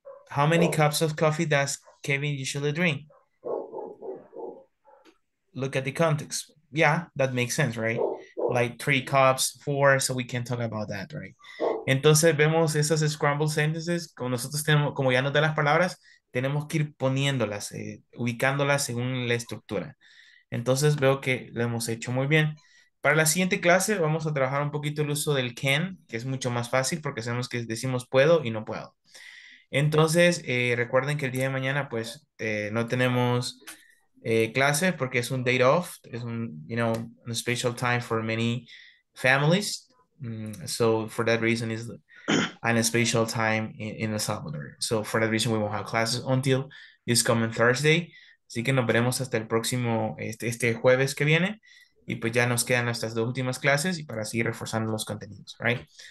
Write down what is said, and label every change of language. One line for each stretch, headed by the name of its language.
English: How many cups of coffee does Kevin usually drink? Look at the context. Yeah, that makes sense, right? Like 3 cups, 4, so we can talk about that, right?
Spanish: Entonces vemos esas
English: scramble sentences,
Spanish: como nosotros tenemos, como ya nos da las palabras, tenemos que ir poniéndolas, ubicándolas según la estructura. Entonces veo que lo hemos hecho muy bien. Para la siguiente clase vamos a trabajar un poquito el uso del can, que es mucho más fácil porque sabemos que decimos puedo y no puedo. Entonces recuerden que el día de mañana pues no tenemos clase porque es un day off, es un,
English: you know, a special time for many families. So for that reason is an special time in El Salvador. So for that reason we won't have classes until this coming Thursday.
Spanish: Así que nos veremos hasta el próximo, este jueves que viene. Y pues ya nos quedan estas dos últimas clases y para seguir reforzando los contenidos, right?